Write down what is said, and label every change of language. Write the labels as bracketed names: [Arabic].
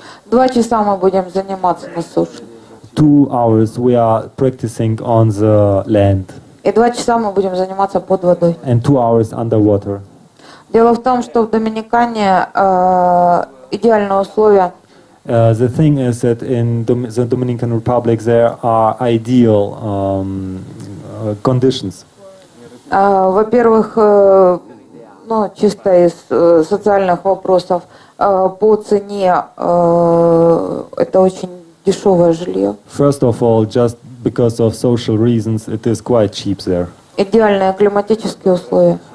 [Russian] 2 часа мы будем заниматься на суше. [English] 2 hours we are practicing on the land. [Russian] И 2 часа мы будем заниматься под водой. [English] And 2 hours underwater. [Russian] Дело в том, что в Доминикане идеальные условия. [English] The thing is that in the Dominican Republic there are ideal conditions. [Russian] Во-первых, ну, чисто из социальных вопросов, по цене это очень дешевое жилье. [English] First of all, just because of social reasons, it is quite cheap there. [Russian] Идеальные климатические условия.